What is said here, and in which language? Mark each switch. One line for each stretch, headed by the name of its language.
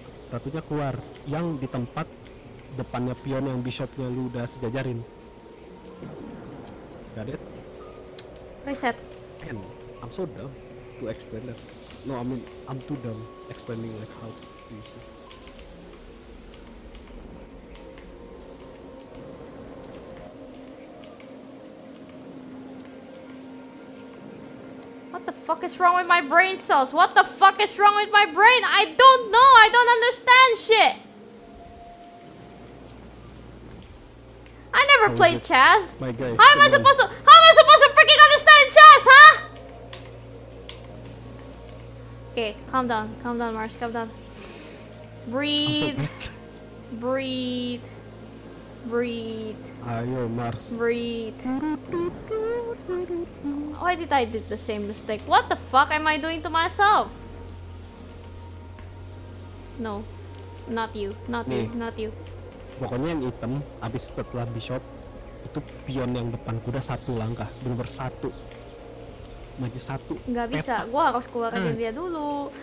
Indonesian: Ratunya keluar yang di tempat depannya pion yang bishopnya lu udah sejajarin.
English: Got it? Reset. And I'm so dumb to explain that. No, I mean I'm too dumb explaining like how to use it. What the fuck is wrong with my brain cells? What the fuck is wrong with my brain? I don't know. I don't understand shit. I never played chess. How am I supposed to? How am I supposed to freaking understand chess, huh? Okay, calm down. Calm down, Marsh. Calm down. Breathe. Breathe. Breathe.
Indonesian: Ayo, Mars.
English: Breathe. Why did I do the same mistake? What the fuck am I doing to myself? No. Not you. Not nih. You. Not you.
Indonesian: Pokoknya yang hitam, abis setelah bishop, itu pion yang depan kuda satu langkah. Bener-bener satu. Maju satu. Gak bisa. Gua harus keluarin dia dulu.